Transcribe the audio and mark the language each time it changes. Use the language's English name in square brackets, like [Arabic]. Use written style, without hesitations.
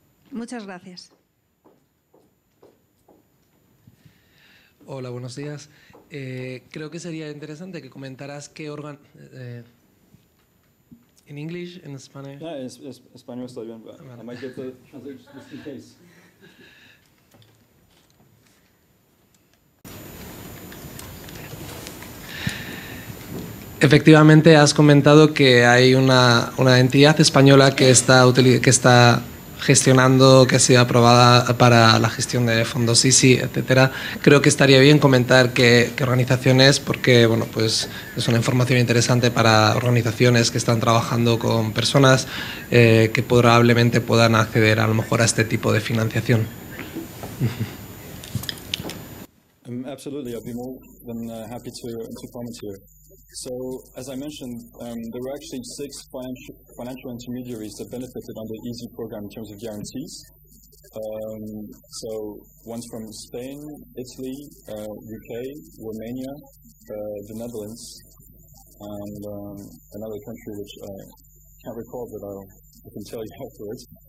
[Spanish] Muchas gracias. Hola, buenos días. Creo que sería interesante que comentaras qué órgano... [English] In English, in Spanish. Yeah, in Spanish, [Spanish] está bien. [English] I might get the translation just in case. [Spanish] Efectivamente, has comentado que hay una entidad española que está gestionando, que ha sido aprobada para la gestión de fondos ICI, etcétera. Creo que estaría bien comentar qué organización es, porque bueno, pues es una información interesante para organizaciones que están trabajando con personas que probablemente puedan acceder a lo mejor a este tipo de financiación. [English] Absolutely, I'd be more than happy to comment here. So, as I mentioned, there were actually six financial intermediaries that benefited under the EASY program in terms of guarantees. So, ones from Spain, Italy, UK, Romania, the Netherlands, and another country which I can't recall, but I can tell you afterwards.